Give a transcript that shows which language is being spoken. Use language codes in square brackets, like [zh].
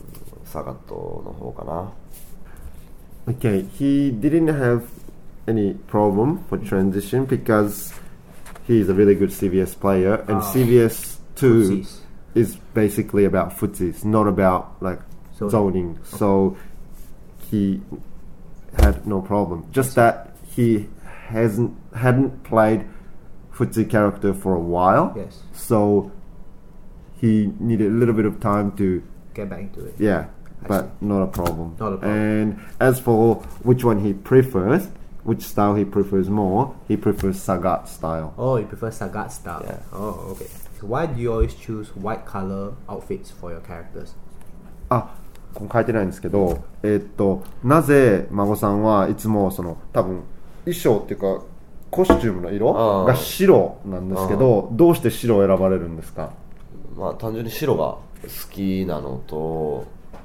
[ja] なので、そんなにフェイロンに移行したことでの問題は違和感っていうのはそんなになかったですけど、ただその、やはり長い間そういう足払い合戦をやってなかったので、ちょっと思い出すのに苦労しました。はい。ちょっとブランクがあったってことですね。ブランクがあった。で、好みなのは、サガットの方かな。 [en] Okay, he didn't have any problem for transition because he's a really good CBS player, and CBS 2 footsies. Is basically about footsies, not about like zoning. Okay. So he had no problem. Just that he hadn't played footsie character for a while. Yes. So he needed a little bit of time to get back into it. Yeah. But not a problem. Not a problem. And as for which one he prefers, which style he prefers more, he prefers Sagat style. Oh, he prefers Sagat style. Yeah. Oh, okay. So why do you always choose white color outfits for your characters? [ja] Ah, ここ書いてないんですけど, なぜ孫さんはいつも衣装っていうかコスチュームの色が白なんですけど、どうして白を選ばれるんですか？まあ単純に白が好きなのと。